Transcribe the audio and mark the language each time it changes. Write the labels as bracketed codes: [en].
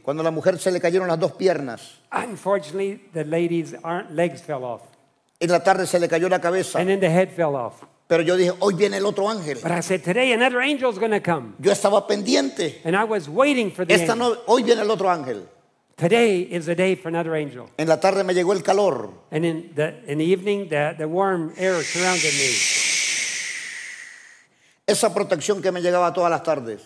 [es] Cuando a la mujer se le cayeron las dos piernas. [en] Unfortunately, the lady's legs fell off. [es] En la tarde se le cayó la cabeza. [en] And then the head fell off. [es] Pero yo dije, hoy viene el otro ángel. [en] But I said, today another angel's going to come. [es] Yo estaba pendiente. [en] And I was waiting for the angel. [es] Hoy viene el otro ángel. [en] Today is the day for another angel. [es] En la tarde me llegó el calor. [en] And in the evening, the warm air surrounded me. [es] Esa protección que me llegaba todas las tardes.